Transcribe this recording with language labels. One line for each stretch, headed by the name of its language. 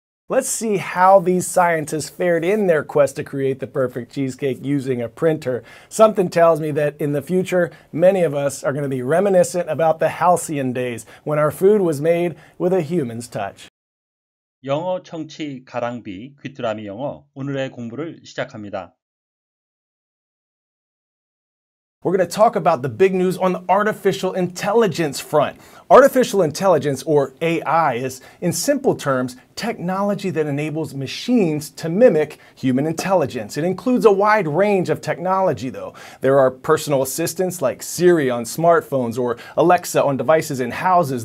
English: Let's see how these scientists fared in their quest to create the perfect cheesecake using a printer. Something tells me that in the future, many of us are going to be reminiscent about the halcyon days when our food was made with a human's touch.
Korean: 영어 청취 가랑비 귀뚜라미 영어 오늘의 공부를 시작합니다.
English: We're going to talk about the big news on the artificial intelligence front. Artificial intelligence, or AI, is, in simple terms, technology that enables machines to mimic human intelligence. It includes a wide range of technology, though. There are personal assistants like Siri on smartphones or Alexa on devices in houses.